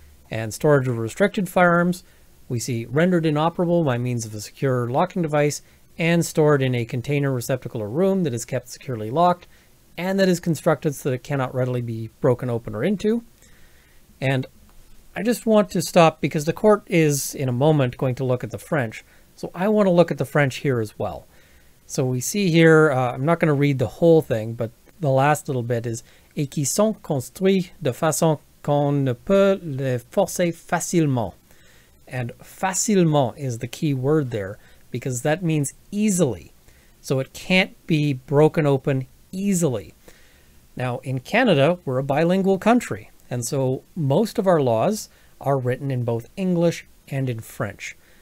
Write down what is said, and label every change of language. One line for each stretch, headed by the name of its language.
English: And storage of restricted firearms, we see rendered inoperable by means of a secure locking device and stored in a container, receptacle, or room that is kept securely locked and that is constructed so that it cannot readily be broken open or into. And I just want to stop because the court is, in a moment, going to look at the French. So I want to look at the French here as well. So we see here, I'm not going to read the whole thing, but the last little bit is,
French: et qui sont construits de façon qu'on ne peut les forcer facilement.
English: And facilement is the key word there, because that means easily. So it can't be broken open easily. Now, in Canada, we're a bilingual country. And so most of our laws are written in both English and in French.